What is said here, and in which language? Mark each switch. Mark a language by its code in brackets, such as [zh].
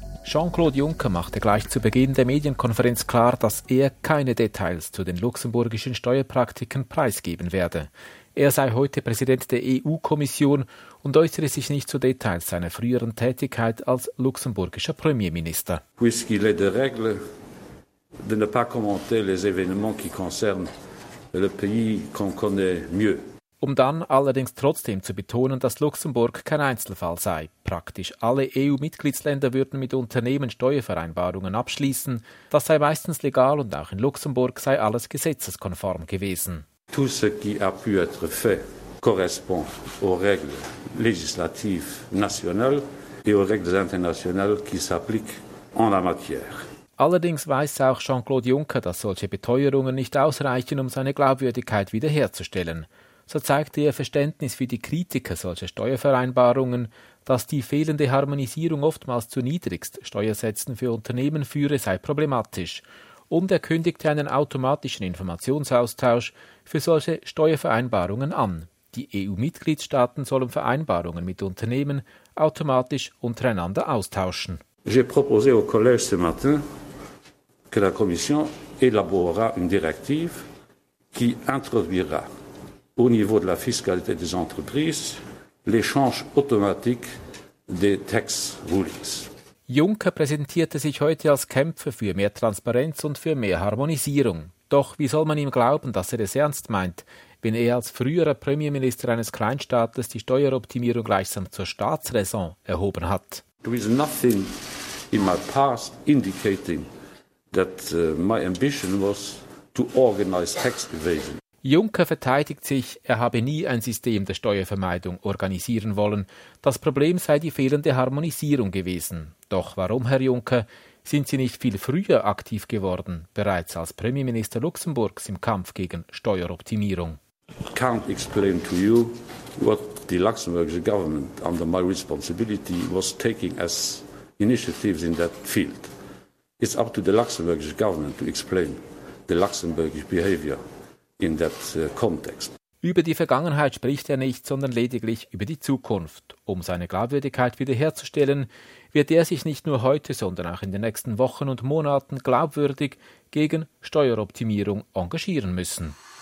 [de] Jean-Claude Juncker machte gleich zu Beginn der Medienkonferenz klar, dass er keine Details zu den luxemburgischen Steuerpraktiken preisgeben werde. Er sei heute Präsident der EU-Kommission und äußere sich nicht zu Details seiner früheren Tätigkeit als luxemburgischer Premierminister. [fr] Puisqu'il est de règle de ne pas commenter les événements qui concernent le pays qu'on connaît mieux. [de] um dann allerdings trotzdem zu betonen, dass Luxemburg kein Einzelfall sei. Praktisch alle EU-Mitgliedsländer würden mit Unternehmen Steuervereinbarungen abschließen. Das sei meistens legal und auch in Luxemburg sei alles gesetzeskonform gewesen. [fr] Tout ce qui a pu être fait correspond aux règles législatives nationales et aux règles internationales qui s'appliquent en la matière. [de] Allerdings weiß auch Jean-Claude Juncker, dass solche Beteuerungen nicht ausreichen, um seine Glaubwürdigkeit wiederherzustellen. So zeigte er Verständnis für die Kritiker solcher Steuervereinbarungen, dass die fehlende Harmonisierung oftmals zu niedrigst Steuersätzen für Unternehmen führe, sei problematisch. Und er kündigte einen automatischen Informationsaustausch für solche Steuervereinbarungen an. Die EU-Mitgliedstaaten sollen Vereinbarungen mit Unternehmen automatisch untereinander austauschen. [fr] J'ai proposé au Collège ce matin que la Commission élaborera une directive qui introduira au niveau de la fiscalité des entreprises l'échange automatique des tax rulings. [de] Juncker präsentierte sich heute als Kämpfer für mehr Transparenz und für mehr Harmonisierung. Doch wie soll man ihm glauben, dass er es ernst meint, wenn er als früherer Premierminister eines Kleinstaates die Steueroptimierung gleichsam zur Staatsraison erhoben hat? [en] There is nothing in my past indicating that my ambition was to organize tax evasion. [de] Juncker verteidigt sich, er habe nie ein System der Steuervermeidung organisieren wollen. Das Problem sei die fehlende Harmonisierung gewesen. Doch warum, Herr Juncker, sind Sie nicht viel früher aktiv geworden, bereits als Premierminister Luxemburgs im Kampf gegen Steueroptimierung? [en] I can't explain to you what the Luxembourgish government under my responsibility was taking as initiatives in that field. It's up to the Luxembourgish government to explain the Luxembourgish behavior. In that context. [de] Über die Vergangenheit spricht er nicht, sondern lediglich über die Zukunft. Um seine Glaubwürdigkeit wiederherzustellen, wird er sich nicht nur heute, sondern auch in den nächsten Wochen und Monaten glaubwürdig gegen Steueroptimierung engagieren müssen.